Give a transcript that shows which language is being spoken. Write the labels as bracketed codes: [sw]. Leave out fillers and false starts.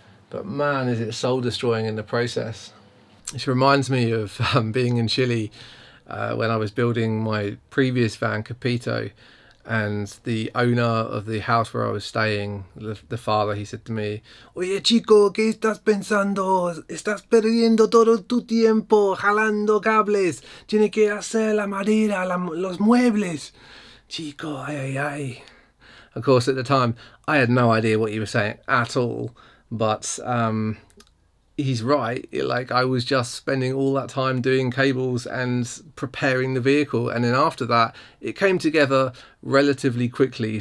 [en] But man, is it soul destroying in the process. This reminds me of being in Chile when I was building my previous van, Capito. And the owner of the house where I was staying, the father, he said to me, [es] "Oye, chico, ¿qué estás pensando? Estás perdiendo todo tu tiempo jalando cables. Tienes que hacer la madera, los muebles. Chico, ay, ay, ay." [en] Of course, at the time, I had no idea what he was saying at all. But he's right. Like, I was just spending all that time doing cables and preparing the vehicle. And then after that, it came together relatively quickly.